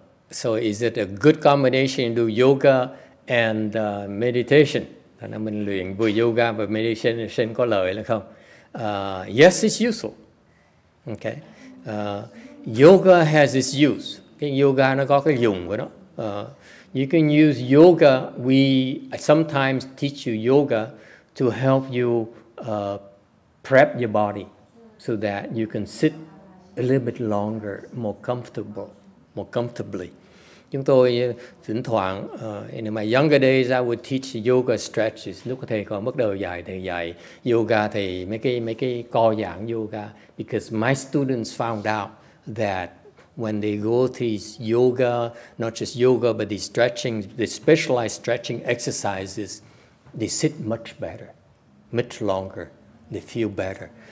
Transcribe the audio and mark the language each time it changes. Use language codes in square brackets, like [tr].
[en] So is it a good combination to do yoga and meditation? [vi] Thế nên mình luyện vừa yoga và meditation có lợi là không? [en] Yes, it's useful. Okay. Yoga has its use. [vi] Cái yoga nó có cái dùng của nó. [en] You can use yoga. We sometimes teach you yoga to help you prep your body so that you can sit a little bit longer, more comfortably. [vi] Chúng tôi thỉnh thoảng, [en] in my younger days, I would teach yoga stretches. [vi] Lúc thầy còn bắt đầu dạy, thầy dạy yoga, thầy mấy cái co giãn yoga. [en] Because my students found out that when they go to yoga, not just yoga, but the stretching, the specialized stretching exercises, they sit much better, much longer, they feel better.